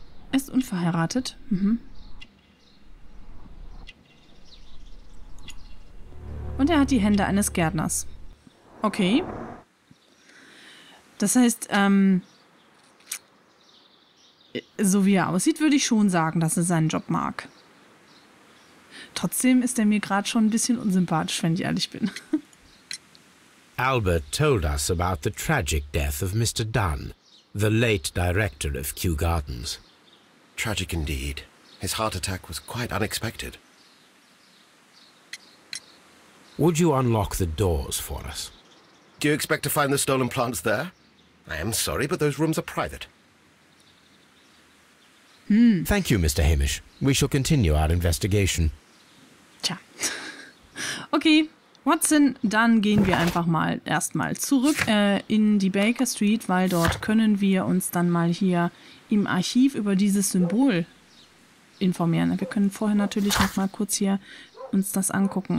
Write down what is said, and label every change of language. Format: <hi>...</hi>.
<de>Er ist unverheiratet. Und er hat die Hände eines Gärtners. Okay. Das heißt, so wie er aussieht, würde ich schon sagen, dass er seinen Job mag. Trotzdem ist er mir gerade schon ein bisschen unsympathisch, wenn ich ehrlich bin.</de> <en>Albert told us about the tragic death of Mr. Dunn, the late director of Kew Gardens. Tragic indeed. His heart attack was quite unexpected. Would you unlock the doors for us? Do you expect to find the stolen plants there? I am sorry, but those rooms are private. Thank you, Mr. Hamish. We shall continue our investigation. Tja.</en> <de>Okay, Watson, dann gehen wir einfach mal erstmal zurück in die Baker Street, weil dort können wir uns dann mal hier im Archiv über dieses Symbol informieren. Wir können vorher natürlich noch mal kurz hier uns das angucken.</de>